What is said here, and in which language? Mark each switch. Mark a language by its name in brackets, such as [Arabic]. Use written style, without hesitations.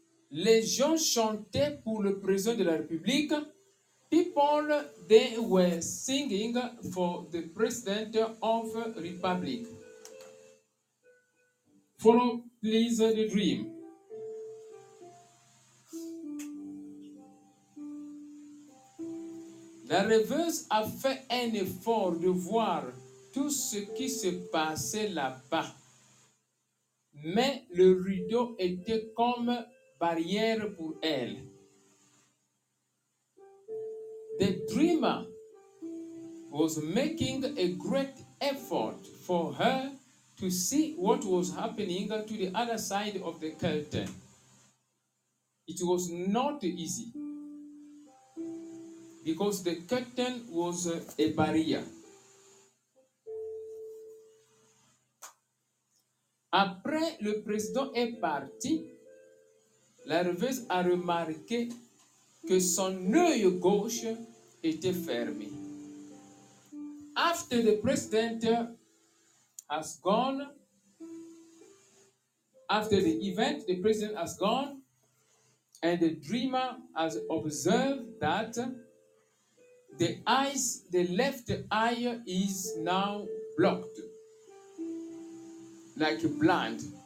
[French] Les gens chantaient pour le président de la République. [English] People, they were singing for the president of the Republic. Follow, please, the dream. [French] La rêveuse a fait un effort de voir tout ce qui se passait là-bas. Mais le rideau était comme barrière pour elle. [English] The dreamer was making a great effort for her to see what was happening to the other side of the curtain. It was not easy because the curtain was a barrier. [French] Après, le président est parti, la rêveuse a remarqué que son œil gauche était fermé. [English] After the president has gone, after the event, the president has gone, and the dreamer has observed that the left eye is now blocked, like blind.